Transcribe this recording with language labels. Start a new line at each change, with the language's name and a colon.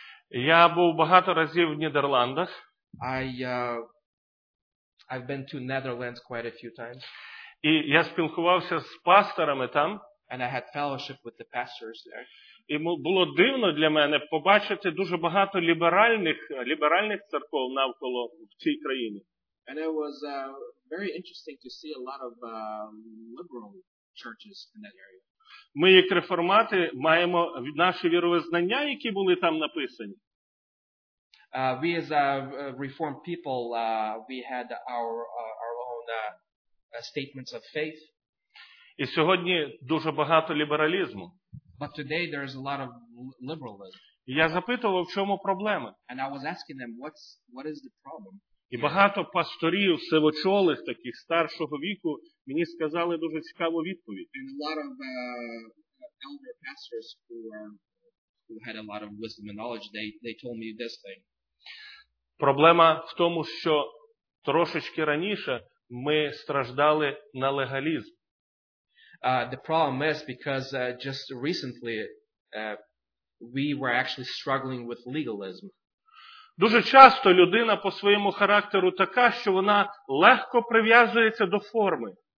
Ukrainian: Я був багато разів в Нідерландах.
English: I've been to Netherlands quite a few times.
Ukrainian: І я спілкувався з пасторами там.
English: And I had fellowship with the pastors there.
Ukrainian: І було дивно для мене побачити дуже багато ліберальних церков навколо в цій країні.
English: And it was very interesting to see a lot of liberal churches in that area.
Ukrainian: Ми як реформати маємо наші віровизнання, які були там написані.
English: We as a reformed people, we had our own statements of faith.
Ukrainian: І сьогодні дуже багато лібералізму.
English: But today there is a lot of liberalism.
Ukrainian: Я запитував, в чому проблема.
English: And I was asking them, what is the problem?
Ukrainian: І багато пасторів, сивочолих, таких старшого віку, мені сказали дуже цікаву відповідь.
English: And a lot of elder pastors who had a lot of wisdom and knowledge, they told me this thing.
Ukrainian: Проблема в тому, що трошечки раніше ми страждали на легалізм.
English: The problem is because just recently we were actually struggling with legalism.
Ukrainian: Дуже часто людина по своєму характеру така, що вона легко прив'язується до форми.